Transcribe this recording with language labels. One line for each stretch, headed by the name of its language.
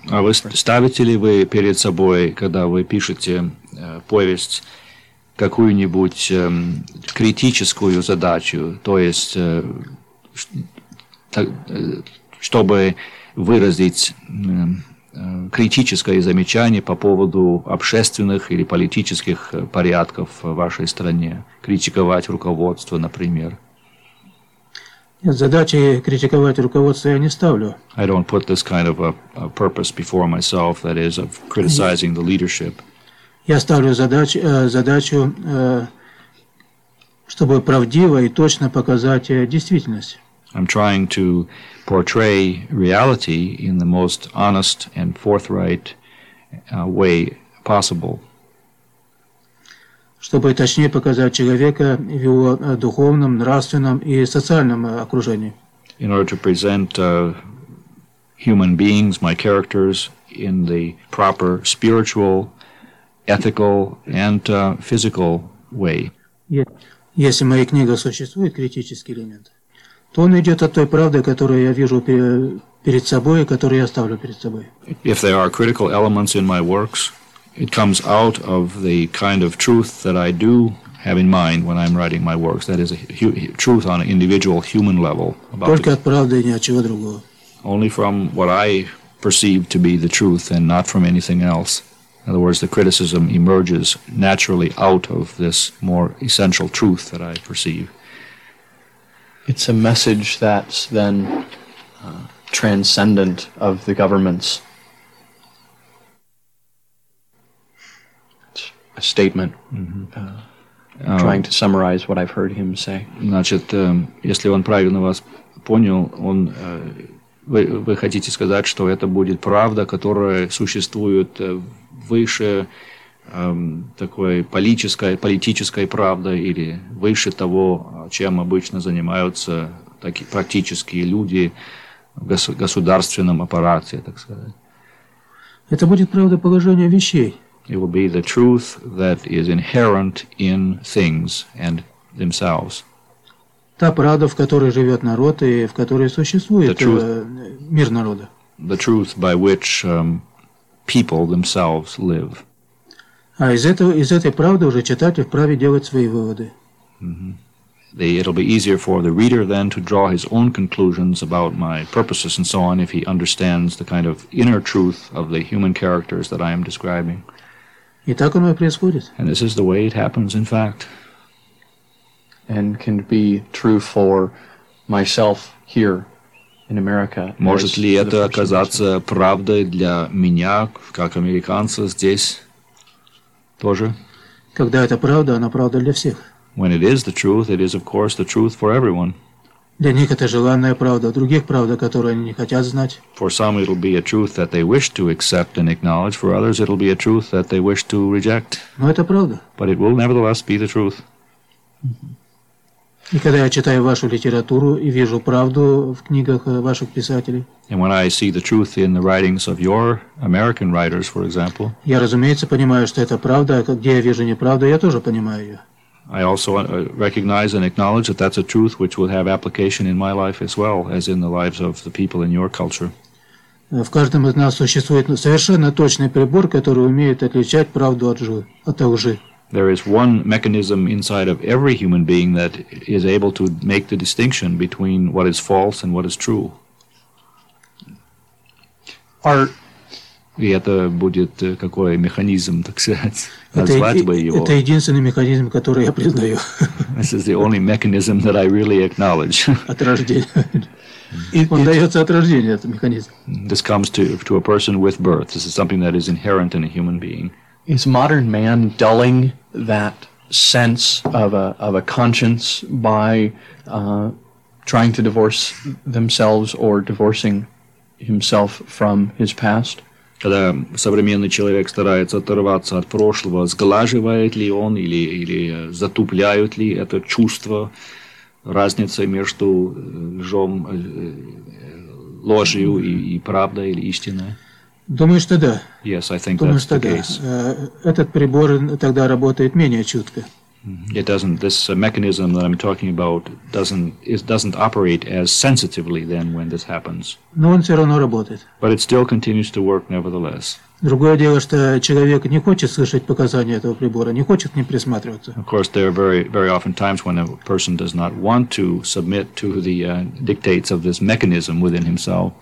Russian: А вы ставите ли вы перед собой, когда вы пишете повесть, какую-нибудь критическую задачу, то есть чтобы выразить критическое замечание по поводу общественных или политических порядков в вашей стране, критиковать руководство, например? Нет, задачи критиковать руководство я не ставлю.
English: I don't put this kind of a purpose before myself, that is, of criticizing the leadership.
Russian: Я ставлю задачу, чтобы правдиво и точно показать действительность.
English: I'm trying to portray reality in the most honest and forthright way possible.
Russian: Чтобы точнее показать человека в его духовном, нравственном и социальном окружении.
English: In order to present human beings, my characters, in the proper spiritual, ethical and physical way.
Russian: Если в моей книге существует критический элемент, то он идет от той правды, которую я вижу перед собой, и которую я ставлю перед собой.
English: If there are critical elements in my works, it comes out of the kind of truth that I do have in mind when I'm writing my works. That is a truth on an individual human level.
Russian: Только от правды, ни от чего другого.
English: Only from what I perceive to be the truth and not from anything else. In other words, the criticism emerges naturally out of this more essential truth that I perceive. It's a message that's then transcendent of the governments. It's a statement. Mm-hmm. Trying to summarize what I've heard him say.
Russian: Значит, если он правильно вас понял, он вы хотите сказать, что это будет правда, которая существует выше такой политической правды или выше того, чем обычно занимаются такие практические люди, государственном аппарате, так сказать. Это будет правда положение вещей.
English: It will be the truth that is inherent in things and themselves.
Russian: Та правда, в которой живет народ и в которой существует мир народа.
English: The truth by which people themselves live.
Russian: А из этой правды уже читатель вправе делать свои выводы.
English: It'll be easier for the reader then to draw his own conclusions about my purposes and so on if he understands the kind of inner truth of the human characters that I am describing.
Russian: И так оно и происходит.
English: And this is the way it happens, in fact. And can be true for myself here in America.
Russian: Может ли это оказаться правдой для меня, как американца, здесь тоже? Когда это правда, она правда для всех.
English: When it is the truth, it is, of course, the truth for everyone.
Russian: Для них это желанная правда, других правда, которую они не хотят знать.
English: For some, it'll be a truth that they wish to accept and acknowledge. For others, it'll be a truth that they wish to reject.
Russian: Но это правда.
English: But it will nevertheless be the truth.
Russian: И когда я читаю вашу литературу и вижу правду в книгах ваших писателей,
English: and when I see the truth in the writings of your American writers, for example,
Russian: я, разумеется, понимаю, что это правда, а где я вижу неправду, я тоже понимаю ее.
English: I also recognize and acknowledge that that's a truth which will have application in my life as well as in the lives of the people in your culture.
Russian: В каждом из нас существует совершенно точный прибор, который умеет отличать правду от лжи.
English: There is one mechanism inside of every human being that is able to make the distinction between what is false and what is true. Art.
Russian: И это будет какой механизм, так сказать, назвать бы его. Это единственный механизм, который я признаю.
English: This is the only mechanism that I really acknowledge.
Russian: От рождения. Он дается от рождения, этот механизм.
English: This comes to a person with birth. This is something that is inherent in a human being. Is modern man dulling that sense of a conscience by trying to divorce themselves or divorcing himself from his past?
Russian: Когда современный человек старается оторваться от прошлого, сглаживает ли он или затупляют ли это чувство разницы между лжом, ложью и правдой или истиной? Думаю, что да.
English: Yes, I think that's the case.
Russian: Этот прибор тогда работает менее чутко.
English: It doesn't. This mechanism that I'm talking about doesn't operate as sensitively then when this happens.
Russian: Но он все равно работает.
English: But it still continues to work nevertheless.
Russian: Другое дело, что человек не хочет слышать показания этого прибора, не хочет к ним присматриваться.
English: Of course, there are very, very often times when a person does not want to submit to the dictates of this mechanism within himself.